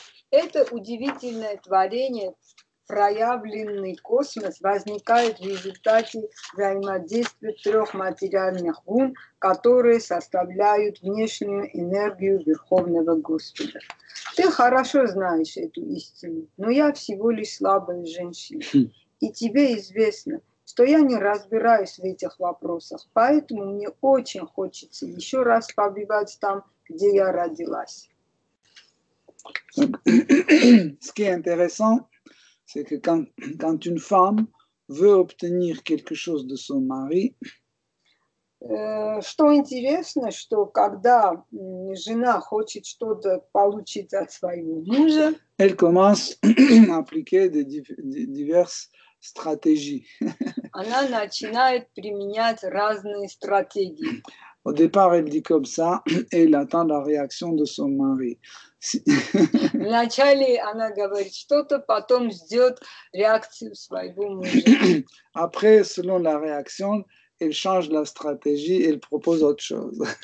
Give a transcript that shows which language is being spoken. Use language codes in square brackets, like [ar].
[ru] Это удивительное творение, проявленный космос, возникает в результате взаимодействия трех материальных гун, которые составляют внешнюю энергию Верховного Господа. Ты хорошо знаешь эту истину, но я всего лишь слабая женщина. И тебе известно, что я не разбираюсь в этих вопросах, поэтому мне очень хочется еще раз побывать там, где я родилась. [fr] Ce qui est intéressant, c'est que quand une femme veut obtenir quelque chose de son mari, [ru] что интересно, что когда жена хочет что-то получить от своего мужа, [fr] elle commence à appliquer des diverses stratégies. [ru] Она начинает применять разные стратегии. [fr] Au départ, elle dit comme ça et elle attend la réaction de son mari. [ru] Вначале она говорит что-то, потом ждет реакцию своего мужа. [fr] Après, selon la réaction, elle change la stratégie, elle propose autre chose.